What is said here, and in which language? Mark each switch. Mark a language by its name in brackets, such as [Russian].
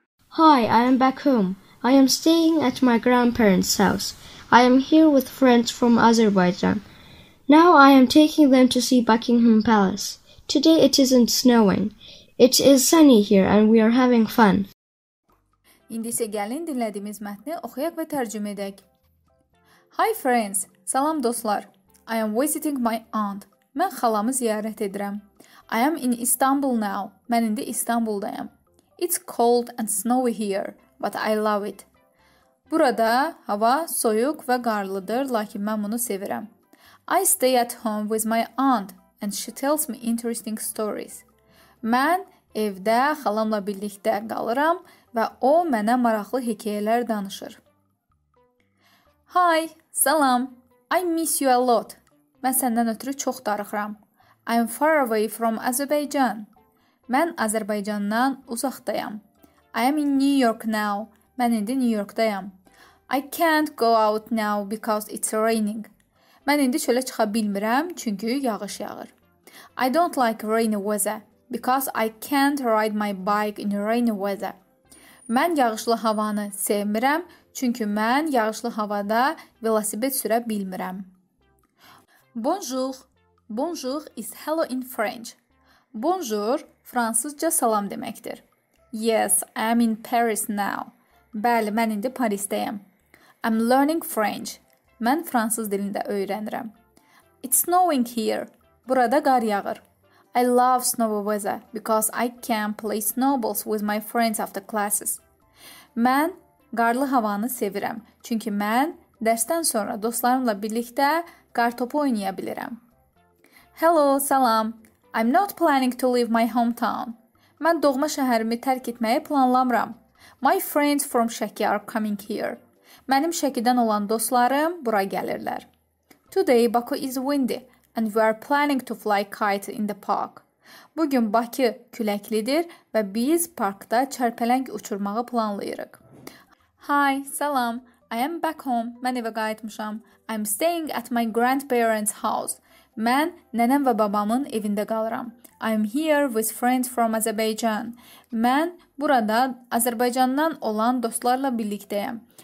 [English] Hi, I am back home. I am staying at my grandparents' house. I am here with friends from Azerbaijan. Now I am taking them to see Buckingham Palace. Today it isn't snowing. It is sunny here and we are having fun. [Azerbaijani] İndi isə gəlin dinlədiyimiz mətni oxuyaq və tərcümə edək. [English] Hi friends, [Azerbaijani] salam dostlar. [English] I am visiting my aunt. [Azerbaijani] Mən xalamı ziyarət edirəm. [English] I am in Istanbul now. Mən indi İstanbuldayım. It's cold and snowy here, but I love it. [Azerbaijani] Burada hava soyuq və qarlıdır, lakin mən bunu sevirəm. [English] I stay at home with my aunt and she tells me interesting stories. [Azerbaijani] Mən evdə xalamla birlikdə qalıram və o mənə maraqlı hekayələr danışır. [English] Hi, salam. I miss you a lot. [Azerbaijani] Mən səndən ötürü çox darıxıram. [English] I'm far away from Azerbaijan. [Azerbaijani] Mən Azərbaycandan uzaqdayam. [English] I am in New York now. [Azerbaijani] Mən indi New Yorkdayam. [English] I can't go out now because it's raining. [Azerbaijani] Mən indi çölə çıxa bilmirəm, çünki yağış yağır. [English] I don't like rainy weather because I can't ride my bike in rainy weather. [Azerbaijani] Mən yağışlı havanı sevmirəm, çünki mən yağışlı havada velosiped sürə bilmirəm. [French] Bonjour. [English] Bonjour is hello in French. Bonjour, [Azerbaijani] fransızca salam deməkdir. [English] Yes, I'm in Paris now. [Azerbaijani] Bəli, mən indi Parisdəyəm. [English] I'm learning French. [Azerbaijani] Mən fransız dilində öyrənirəm. [English] It's snowing here. [Azerbaijani] Burada qar yağır. [English] I love snowy weather because I can play snowballs with my friends after classes. [Azerbaijani] Mən qarlı havanı sevirəm, çünki mən dərsdən sonra dostlarımla birlikdə qar topu oynaya bilirəm. [English] Hello, salam. I'm not planning to leave my hometown. [Azerbaijani] Mən doğma şəhərimi tərk etməyi planlamıram. [English] My friends from Şəki are coming here. [Azerbaijani] Mənim Şəkidən olan dostlarım bura gəlirlər. [English] Today Baku is windy and we are planning to fly kite in the park. [Azerbaijani] Bugün Bakı küləklidir və biz parkda çərpələng uçurmağı planlayırıq. [English] Hi, salam. I am back home. [Azerbaijani] Mən evə qayıtmışam. [English] I'm staying at my grandparents' house. [Azerbaijani] Mən nənəm və babamın evində qalıram. [English] I'm here with friends from Azerbaijan. [Azerbaijani] Mən burada Azərbaycandan olan dostlarla birlikdəyəm.